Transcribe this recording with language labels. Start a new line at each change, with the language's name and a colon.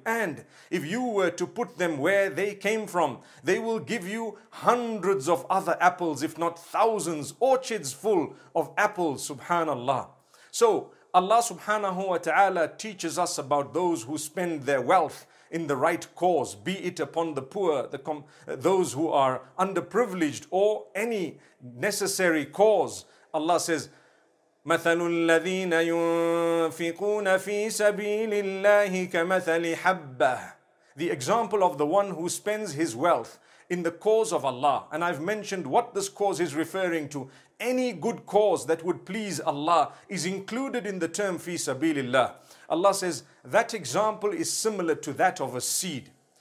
English: And if you were to put them where they came from, they will give you hundreds of other apples, if not thousands, orchards full of apples. Subhanallah. So Allah subhanahu wa ta'ala teaches us about those who spend their wealth in the right cause, be it upon the poor, those who are underprivileged, or any necessary cause. Allah says,
Arabic: مَثَلُ الَّذِينَ يُنفِقُونَ فِي سَبِيلِ اللَّهِ كَمَثَلِ حَبَّةٍ.
English: The example of the one who spends his wealth in the cause of Allah. And I've mentioned what this cause is referring to. Any good cause that would please Allah is included in the term fi sabilillah. Allah says that example is similar to that of a seed.